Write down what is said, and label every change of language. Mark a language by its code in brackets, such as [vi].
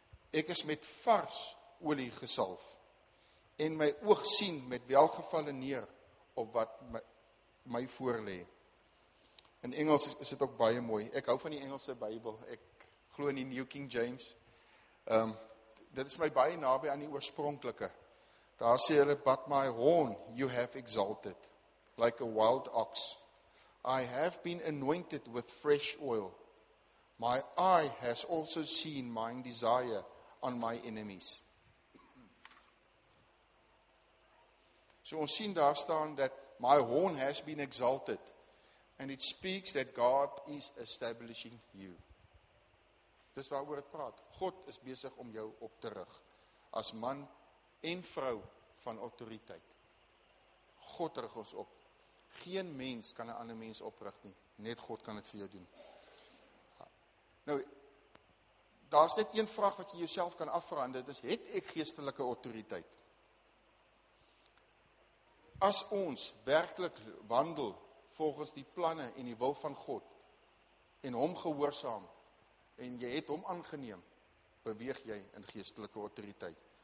[af] Ek is met vars olie gesalf en my oog sien met welgevalle neer op wat my voorlê. In Engels is dit ook baie mooi. Ek hou van die Engelse Bybel. Ek glo in die New King James. Dit is my baie naby aan die oorspronklike. Daar sê hulle, [en] but my horn you have exalted, like a wild ox. I have been anointed with fresh oil. My eye has also seen mine desire on my enemies. [af] So ons sien daar staan dat [en] my horn has been exalted. And it speaks that God is establishing you. [af] Dis waaroor het praat. God is besig om jou op te rig. As man en vrou van autoriteit. God rig ons op. Geen mens kan 'n ander mens oprig nie. Net God kan dit vir jou doen. Nou, daar is net een vraag wat jy jouself kan afvra, en dit is, het ek geestelike autoriteit? As ons werklik wandel volgens die planne en die wil van God, en hom gehoorsaam, en jy het hom aangeneem, beweeg jy in geestelike autoriteit.